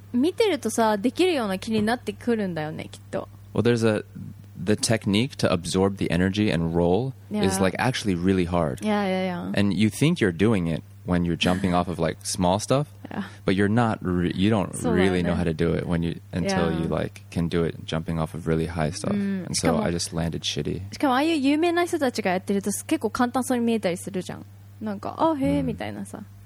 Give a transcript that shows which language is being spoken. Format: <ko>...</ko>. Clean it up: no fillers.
<ja>見てるとさ、できるような気になってくるんだよね、きっと。</ja> <en>Well, there's the technique to absorb the energy and roll yeah. is like actually really hard. Yeah, yeah, yeah. And you think you're doing it when you're jumping off of like small stuff, yeah. but you're not, you don't really know how to do it when you, until yeah. you like can do it jumping off of really high stuff.、 Mm. And so I just landed shitty.</en> <ja>しかもああいう有名な人たちがやってると結構簡単そうに見えたりするじゃん。なんか、あ、へえ、みたいなさ。</ja>